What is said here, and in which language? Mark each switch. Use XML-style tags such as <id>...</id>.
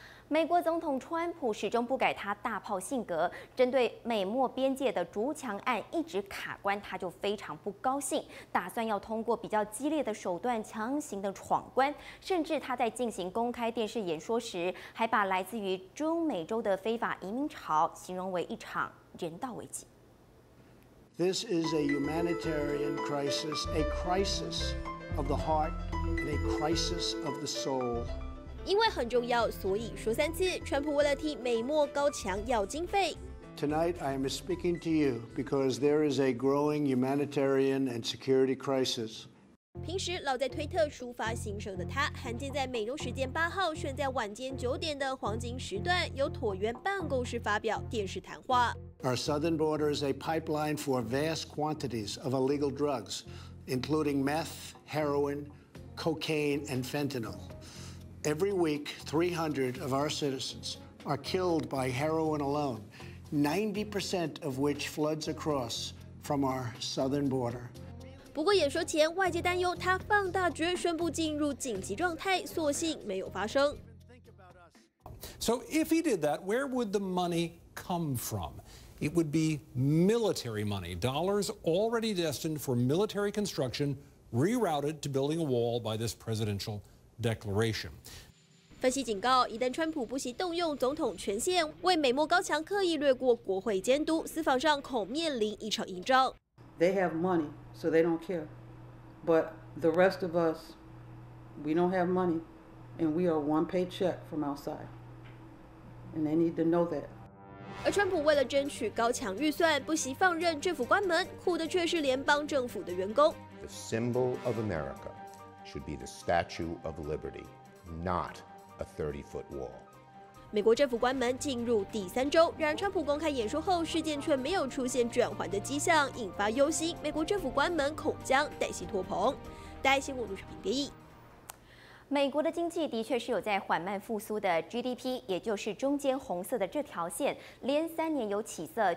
<zh>美国总统川普始终不改他大炮性格，针对美墨边界的筑墙案一直卡关，他就非常不高兴，打算要通过比较激烈的手段强行的闯关，甚至他在进行公开电视演说时还把来自于中美洲的非法移民潮形容为一场人道危机。</zh> <en>This is a humanitarian crisis, a crisis of the heart and a crisis of the soul.</en> <zh>因为很重要，所以说三次。川普为了替美墨高墙要经费。</zh> <en>Tonight I am speaking to you because there is a growing humanitarian and security crisis.</en> <zh>平时老在推特抒发心声的他，罕见在美东时间8号，选在晚间9点的黄金时段，由椭圆办公室发表电视谈话。</zh> <en>Our southern border is a pipeline for vast quantities of illegal drugs, including meth, heroin, cocaine, and fentanyl. Every week, 300 of our citizens are killed by heroin alone, 90% of which floods across from our southern border.</en> <zh>不过演说前，外界担忧他放大决宣布进入紧急状态，所幸没有发生。</zh> <en>So if he did that, where would the money come from? It would be military money, dollars already destined for military construction, rerouted to building a wall by this presidentialDeclaration.</en> <zh>分析警告，一旦川普不惜动用总统权限，为美墨高墙刻意掠过国会监督，司法上恐面临一场硬仗。</zh> <en>They have money, so they don't care. But the rest of us, we don't have money, and we are one paycheck from outside. And they need to know that.</en> <zh>而川普为了争取高墙预算，不惜放任政府关门，苦的却是联邦政府的员工。</zh> <en>The symbol of America. Should be the Statue of Liberty, not a 30-foot wall.</en> <zh>美国政府关门进入第三周，然而川普公开演说后，事件却没有出现转圜的迹象，引发忧心，美国政府关门恐将带薪脱棚。大爱新闻陆小平编译。美国的经济的确是有在缓慢复苏的 GDP， 也就是中间红色的这条线，连3年有起色。</zh>